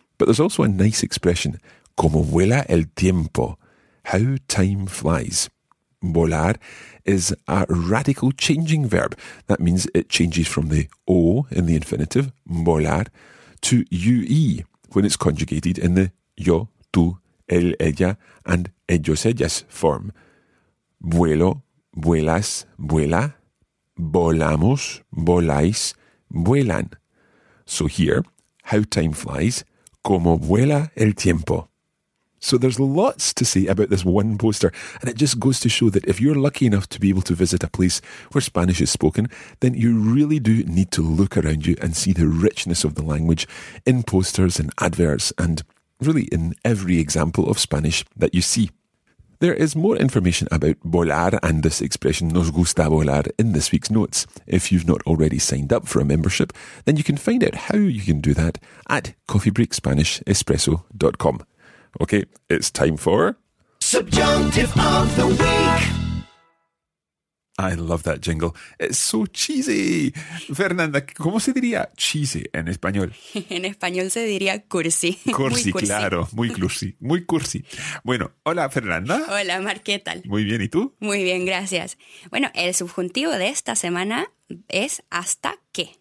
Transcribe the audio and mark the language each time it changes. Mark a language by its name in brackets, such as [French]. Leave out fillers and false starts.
[English] But there's also a nice expression, [Spanish] como vuela el tiempo, [English] how time flies. Volar is a radical changing verb. That means it changes from the O in the infinitive, volar, to UE when it's conjugated in the yo, tú, él, ella, and ellos, ellas form. [Spanish] Vuelo, vuelas, vuela, volamos, voláis, vuelan. [English] So here, how time flies, [Spanish] como vuela el tiempo. [English] So there's lots to say about this one poster, and it just goes to show that if you're lucky enough to be able to visit a place where Spanish is spoken, then you really do need to look around you and see the richness of the language in posters and adverts and really in every example of Spanish that you see. There is more information about volar and this expression, [Spanish] nos gusta volar, [English] in this week's notes. If you've not already signed up for a membership, then you can find out how you can do that at coffeebreakspanishespresso.com. Okay, it's time for Subjunctive of the Week. I love that jingle. It's so cheesy. [Spanish] Fernanda, ¿cómo se diría cheesy en español? En español se diría cursi. Cursi, muy claro. Cursi. Muy cursi. Muy cursi. Bueno, hola, Fernanda. Hola, Mar, ¿qué tal? Muy bien, ¿y tú? Muy bien, gracias. Bueno, el subjuntivo de esta semana es hasta qué.